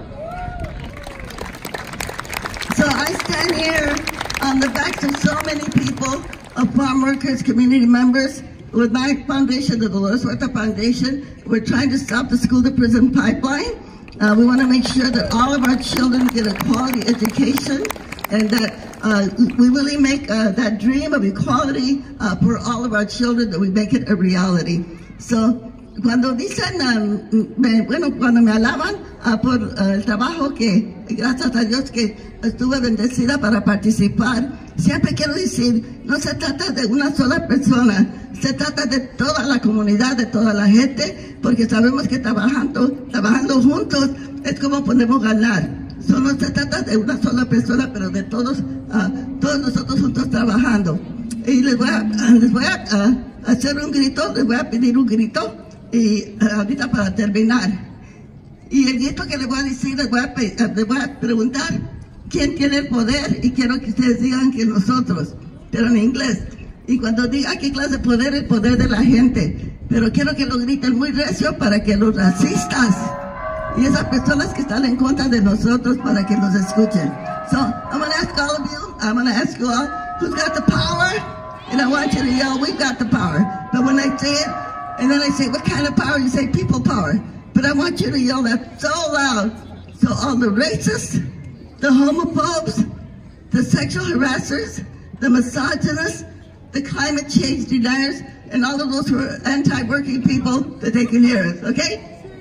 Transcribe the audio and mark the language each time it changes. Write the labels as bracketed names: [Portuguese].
[English] So I stand here on the backs of so many people, of farm workers, community members, with my foundation, the Dolores Huerta Foundation. We're trying to stop the school-to-prison pipeline. We want to make sure that all of our children get a quality education, and that we really make that dream of equality for all of our children, that we make it a reality. [Spanish] So, cuando dicen, bueno, cuando me alaban por el trabajo que, gracias a Dios que estuve bendecida para participar, siempre quiero decir, no se trata de una sola persona, se trata de toda la comunidad, de toda la gente, porque sabemos que trabajando juntos es como podemos ganar. So no se trata de una sola persona, pero de todos nosotros juntos trabajando. Y les voy a hacer un grito, les voy a pedir un grito, y ahorita para terminar. Y el grito que les voy a decir, les voy a preguntar quién tiene el poder, y quiero que ustedes digan que nosotros, pero en inglés. Y cuando diga qué clase de poder, el poder de la gente. Pero quiero que lo griten muy recio para que los racistas y esas personas que están en contra de nosotros, para que nos escuchen. [English] So, I'm going to ask all of you, I'm going to ask you all, who's got the power? And I want you to yell, we've got the power. But when I say it, and then I say, what kind of power? You say, people power. But I want you to yell that so loud, so all the racists, the homophobes, the sexual harassers, the misogynists, the climate change deniers, and all of those who are anti-working people, that they can hear us, okay?